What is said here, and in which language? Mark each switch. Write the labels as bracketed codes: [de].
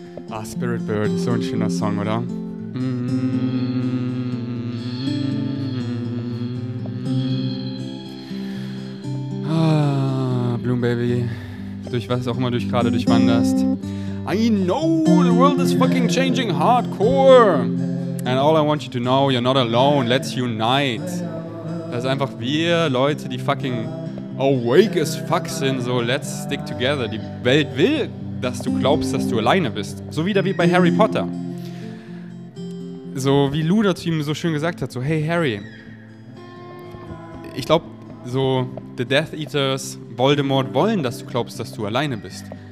[de] Ah, Spirit Bird, so ein schöner Song, oder? Ah, Bloom Baby, durch was auch immer du gerade durchwanderst. [en] I know the world is fucking changing hardcore. And all I want you to know, you're not alone, let's unite. [de] Das ist einfach wir Leute, die [en] fucking awake as fuck [de] sind, so [en] let's stick together. [de] Die Welt will, dass du glaubst, dass du alleine bist. So wieder wie bei Harry Potter. So wie Luda zu ihm so schön gesagt hat, so hey Harry, ich glaube, so the Death Eaters, Voldemort wollen, dass du glaubst, dass du alleine bist.